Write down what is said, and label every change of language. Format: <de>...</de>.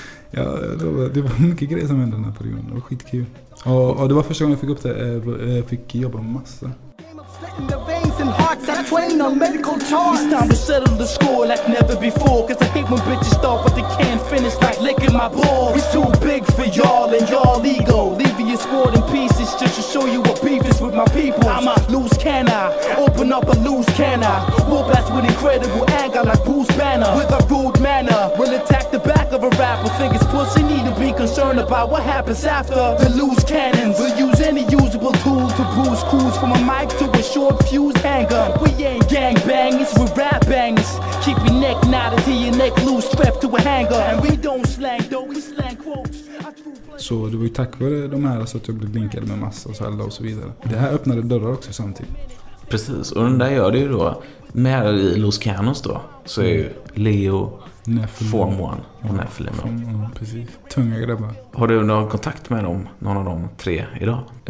<sv>Ja, det var mycket grejer som hände den här perioden. Det var skitkul. Och det var första gången jag fick upp det. Jag fick jobba massa.</sv> <en>I train on medical charge. It's time to settle the score like never before. Cause I hate when bitches start but they can't finish. Like licking my balls. We're too big for y'all and y'all ego. Leaving your squad in pieces just to show you what beef is with my people. I'm a loose cannon. Open up a loose cannon. War blast with incredible anger like Bruce Banner. With a rude manner, we'll attack the back of a rapper. Think it's pussy, need to be concerned about what happens after. The loose cannons. We'll use any usable tool to boost crews. From a mic to a short fuse hanger. We ain't gang bangers, we rap bangers. Keep your neck knotted, hear your neck loose, strapped to a hanger. And we don't slang, though we slang quotes.</en> <sv>Så det var ju tack vare de här så att jag blev blinkad med massa och så här och så vidare. Det här öppnade dörrar också samtidigt. Precis, och den där gör det ju då med i Los Canos då. Så är ju Leo, Form One och Nephilim. Ja, precis, tunga grabbar. Har du någon kontakt med dem, någon av de tre idag?</sv>